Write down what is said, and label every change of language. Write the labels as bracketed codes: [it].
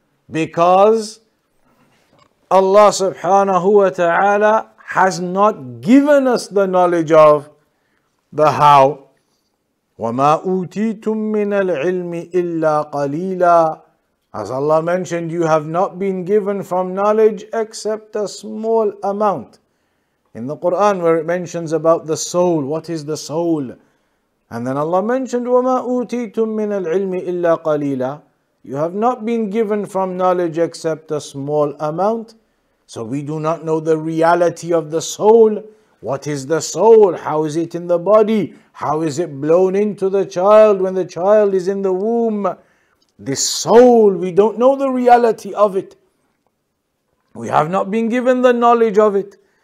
[en] Because Allah subhanahu wa ta'ala has not given us the knowledge of the how. [ar] وَمَا أُوتِيتُم مِّنَ الْعِلْمِ إِلَّا قَلِيلًا. [en] As Allah mentioned, you have not been given from knowledge except a small amount. In the Quran, where it mentions about the soul, what is the soul? And then Allah mentioned, [ar] وَمَا أُوتِيتُم مِّنَ الْعِلْمِ إِلَّا قَلِيلًا. [en] You have not been given from knowledge except a small amount. So we do not know the reality of the soul. What is the soul? How is it in the body? How is it blown into the child when the child is in the womb? This soul, we don't know the reality of it. We have not been given the knowledge of it.